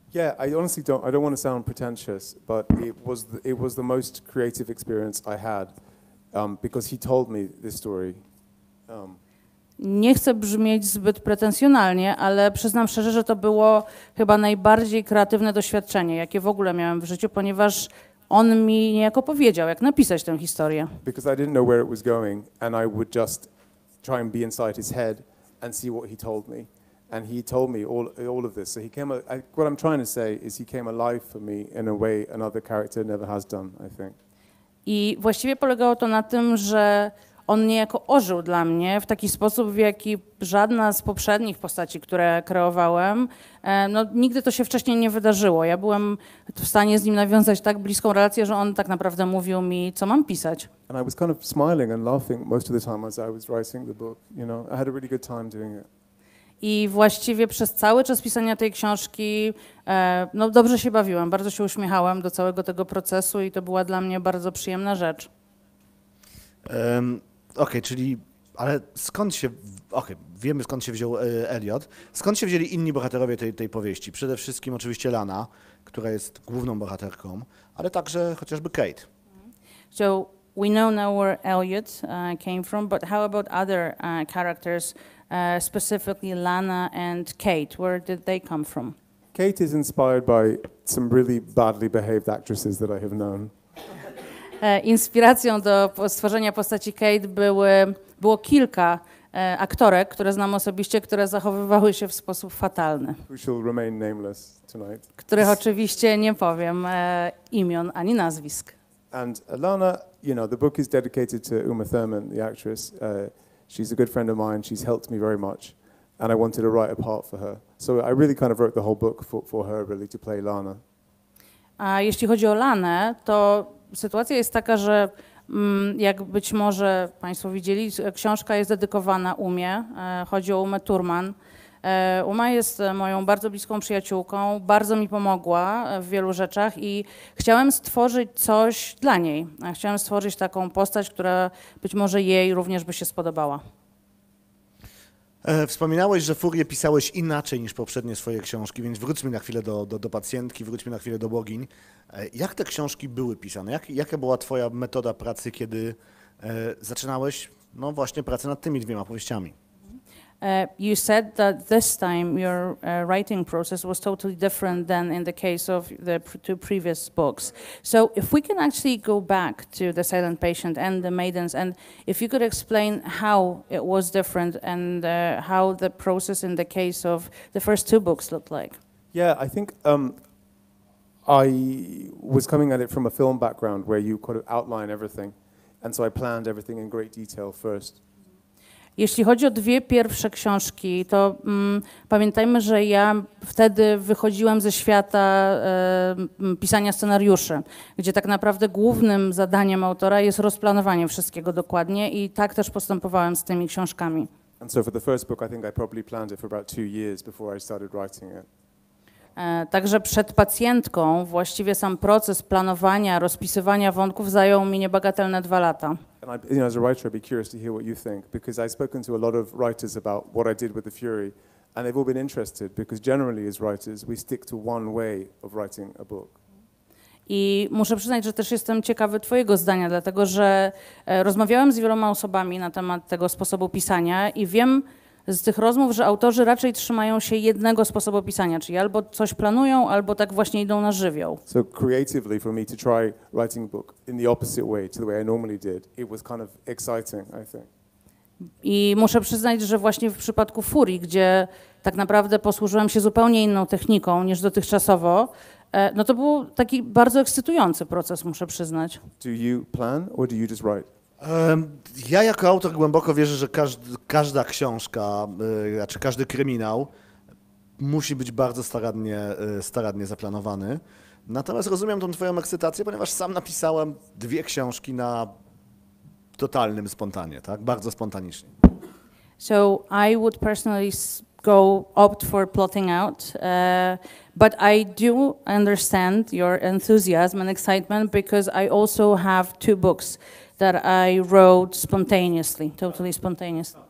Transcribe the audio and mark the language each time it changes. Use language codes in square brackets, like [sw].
[en] Yeah, I don't want to sound pretentious, but it was the most creative experience I had, because he told me this story. [pl] Nie chcę brzmieć zbyt pretensjonalnie, ale przyznam szczerze, że to było chyba najbardziej kreatywne doświadczenie, jakie w ogóle miałem w życiu, ponieważ on mi niejako powiedział, jak napisać tę historię. [en] Because I didn't know where it was going, and I would just try and be inside his head and see what he told me. And he told me all of this. So he came, what I'm trying to say is he came alive for me in a way another character never has done, I think. [pl] I właściwie polegało to na tym, że on niejako ożył dla mnie w taki sposób, w jaki żadna z poprzednich postaci, które kreowałem, no nigdy to się wcześniej nie wydarzyło. Ja byłem w stanie z nim nawiązać tak bliską relację, że on tak naprawdę mówił mi, co mam pisać. [en] And I was kind of smiling and laughing most of the time as I was writing the book, you know. I had a really good time doing it. [pl] I właściwie przez cały czas pisania tej książki no dobrze się bawiłem, bardzo się uśmiechałem do całego tego procesu i to była dla mnie bardzo przyjemna rzecz. Okej, czyli, ale skąd się, wiemy skąd się wziął Elliot, skąd się wzięli inni bohaterowie tej powieści? Przede wszystkim oczywiście Lana, która jest główną bohaterką, ale także chociażby Kate. [en] So, we know now where Elliot came from, but how about other characters, specifically Lana and Kate, where did they come from? Kate is inspired by some really badly behaved actresses that I have known. [pl] Inspiracją do stworzenia postaci Kate było kilka aktorek, które znam osobiście, które zachowywały się w sposób fatalny. [en] We shall remain nameless tonight. [pl] Których oczywiście nie powiem imion ani nazwisk. [en] And Lana, you know, the book is dedicated to Uma Thurman, the actress. She's a good friend of mine, she's helped me very much, and I wanted to write a part for her. So I really kind of wrote the whole book for her, really, to play Lana. [pl] A jeśli chodzi o Lanę, to sytuacja jest taka, że jak być może Państwo widzieli, książka jest dedykowana Umie. Chodzi o Umę Thurman. Uma jest moją bardzo bliską przyjaciółką, bardzo mi pomogła w wielu rzeczach i chciałem stworzyć coś dla niej. Chciałem stworzyć taką postać, która być może jej również by się spodobała. Wspominałeś, że Furię pisałeś inaczej niż poprzednie swoje książki, więc wróćmy na chwilę do pacjentki, wróćmy na chwilę do bogiń. Jak te książki były pisane? Jaka była twoja metoda pracy, kiedy zaczynałeś no właśnie pracę nad tymi dwiema powieściami? [en] You said that this time your writing process was totally different than in the case of the two previous books. So if we can actually go back to The Silent Patient and The Maidens, and if you could explain how it was different and how the process in the case of the first two books looked like. Yeah, I think I was coming at it from a film background where you kind of outline everything. And so I planned everything in great detail first. [pl] Jeśli chodzi o dwie pierwsze książki, to pamiętajmy, że ja wtedy wychodziłem ze świata pisania scenariuszy, gdzie tak naprawdę głównym zadaniem autora jest rozplanowanie wszystkiego dokładnie i tak też postępowałem z tymi książkami. [en] And so for the first book, I think I probably planned it for about 2 years before I started writing it. [pl] Także przed pacjentką właściwie sam proces planowania, rozpisywania wątków zajął mi niebagatelne 2 lata. [en] And I, you know, as a writer, I'd be curious to hear what you think, because I've spoken to a lot of writers about what I did with The Fury, and they've all been interested, because generally as writers, we stick to one way of writing a book. [pl] I muszę przyznać, że też jestem ciekawy twojego zdania, dlatego że rozmawiałem z wieloma osobami na temat tego sposobu pisania i wiem z tych rozmów, że autorzy raczej trzymają się jednego sposobu pisania, czyli albo coś planują, albo tak właśnie idą na żywioł. [en] So creatively for me to try writing a book in the opposite way to the way I normally did, it was kind of exciting, I think. [pl] I muszę przyznać, że właśnie w przypadku Fury, gdzie tak naprawdę posłużyłem się zupełnie inną techniką niż dotychczasowo, no to był taki bardzo ekscytujący proces, muszę przyznać. [en] Do you plan or do you just write? [pl] Ja jako autor głęboko wierzę, że każda książka, znaczy każdy kryminał musi być bardzo starannie zaplanowany. Natomiast rozumiem tą twoją ekscytację, ponieważ sam napisałem 2 książki na totalnym spontanie, tak? Bardzo spontanicznie. [en] So I would personally opt for plotting out, but I do understand your enthusiasm and excitement because I also have 2 books that I wrote spontaneously, totally spontaneous.